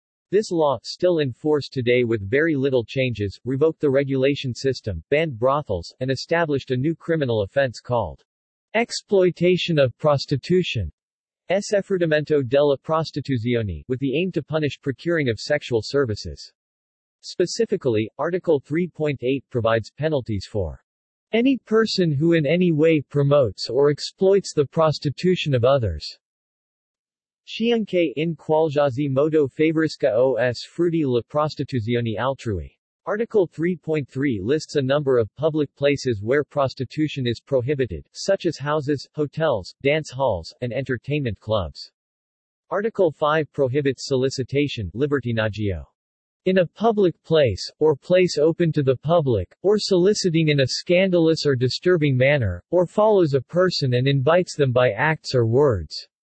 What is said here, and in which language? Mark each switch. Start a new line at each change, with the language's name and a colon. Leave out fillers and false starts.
English: This law, still in force today with very little changes, revoked the regulation system, banned brothels, and established a new criminal offense called exploitation of prostitution,
Italian: sfruttamento della prostituzione,
English: with the aim to punish procuring of sexual services. Specifically, Article 3.8 provides penalties for any person who in any way promotes or exploits the prostitution of others.
Italian: Chiunque in qualsiasi modo favorisca o sfrutti la prostituzione altrui.
English: Article 3.3 lists a number of public places where prostitution is prohibited, such as houses, hotels, dance halls, and entertainment clubs. Article 5 prohibits solicitation, libertinaggio, in a public place, or place open to the public, or soliciting in a scandalous or disturbing manner, or follows a person and invites them by acts or words.